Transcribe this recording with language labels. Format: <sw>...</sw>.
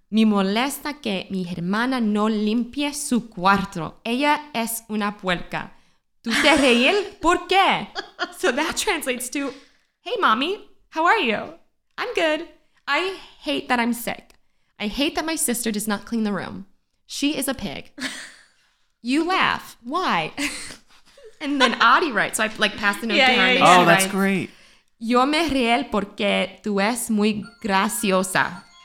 <es>Me molesta que mi hermana no limpie su cuarto. Ella es una puerca. ¿Tú te reír? ¿Por qué?</es> <en>So that translates to, hey, mommy, how are you? I'm good. I hate that I'm sick. I hate that my sister does not clean the room. She is a pig. You laugh. Why? And then Adi writes. So I like pass the note to her. Yeah, yeah. Oh, that's great.</en> <es>Yo me ríe porque tú eres muy graciosa.</es>